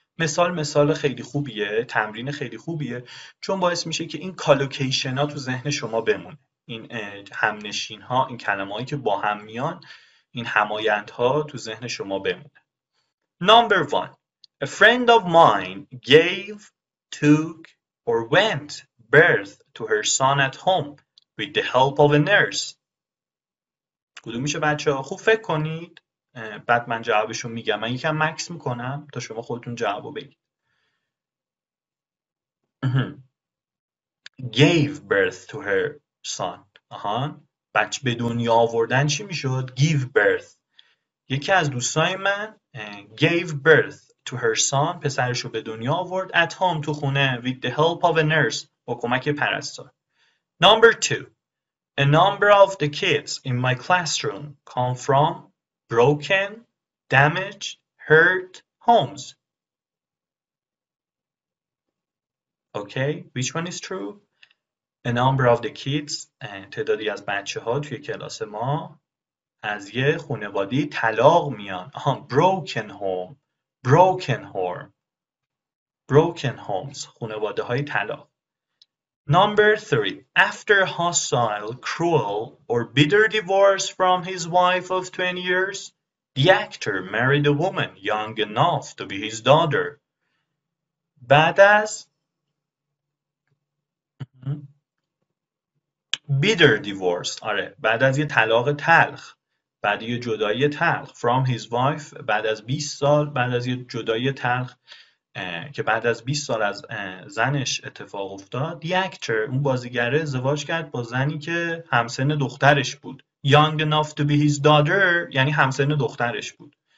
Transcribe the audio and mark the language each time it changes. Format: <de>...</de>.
<fa>مثال خیلی خوبیه، تمرین خیلی خوبیه، چون باعث میشه که این کالوکیشن ها تو ذهن شما بمونه. این همنشین ها، این کلمه هایی که با هم میان، این همایند ها تو ذهن شما بمونه.</fa> <en>Number one. A friend of mine gave, took, or went birth to her son at home with the help of a nurse.</en> <fa>کدوم میشه بچه ها؟ خوب فکر کنید. بعد من جوابشو میگم. من یکم مکس میکنم تا شما خودتون جوابو بگید.</fa> <en>Gave birth to her son.</en> <fa>آها، بچه به دنیا آوردن چی میشد؟ give birth.</fa> <en>یکی از دوستای من gave birth to her son، پسرشو به دنیا آورد at home، تو خونه، with the help of a nurse، با کمک پرستار. Number two. A number of the kids in my classroom come from broken, damaged, hurt homes. Okay, which one is true?</en> <fa>A number of the kids، تعدادی از بچه ها توی کلاس ما از یه خانواده طلاق میان.</fa> <en>Broken home، broken home، broken homes، خانواده های طلاق. Number three. After a hostile, cruel or bitter divorce from his wife of 20 years، the actor married a woman young enough to be his daughter.</en> <fa>بعد از bitter divorce، آره، بعد از یه طلاق تلخ، بعد یه جدایی تلخ، from his wife، بعد از 20 سال، بعد از یه جدایی تلخ که بعد از 20 سال از زنش اتفاق افتاد، the actor، اون بازیگره، ازدواج کرد با زنی که همسن دخترش بود، young enough to be his daughter، یعنی همسن دخترش بود.</fa>